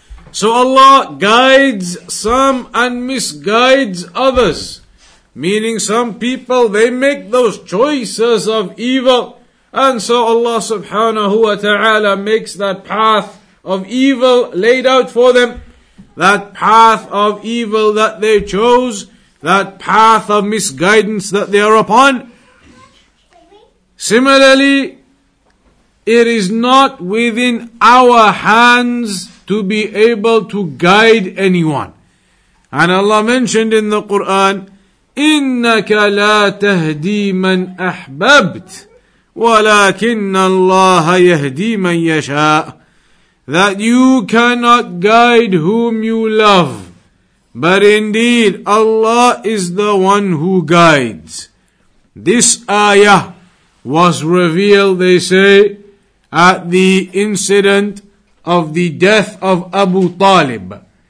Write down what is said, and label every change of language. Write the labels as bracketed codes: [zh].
[en] So Allah guides some and misguides others, meaning some people, they make those choices of evil, and so Allah subhanahu wa ta'ala makes that path of evil laid out for them, that path of evil that they chose, that path of misguidance that they are upon. Similarly, it is not within our hands to be able to guide anyone. And Allah mentioned in the Quran, [ar] إِنَّكَ لَا تَهْدِي مَنْ أَحْبَبْتَ وَلَكِنَّ اللَّهَ يَهْدِي مَنْ يَشَاءُ. [en] That you cannot guide whom you love, but indeed Allah is the one who guides. This ayah was revealed, they say, at the incident of the death of Abu Talib.